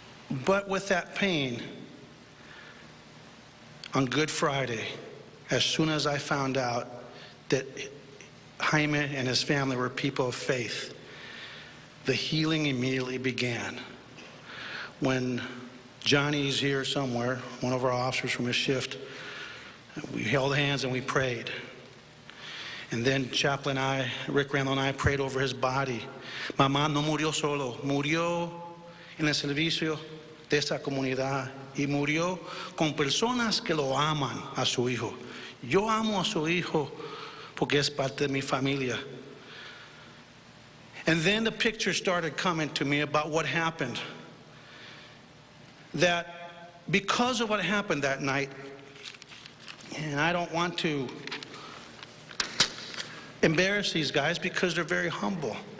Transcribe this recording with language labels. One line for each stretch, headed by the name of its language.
English: But with that pain, on Good Friday, as soon as I found out that Jaime and his family were people of faith, the healing immediately began. When Johnny's here somewhere, one of our officers from his shift, we held hands and we prayed. And then Chaplain and I, Rick Randall and I, prayed over his body.
Spanish: Mamá no murió solo, murió en el servicio de esta comunidad y murió con personas que lo aman a su hijo. Yo amo a su hijo porque es parte de mi familia.
English: And then the picture started coming to me about what happened. That because of what happened that night, and I don't want to embarrass these guys because they're very humble.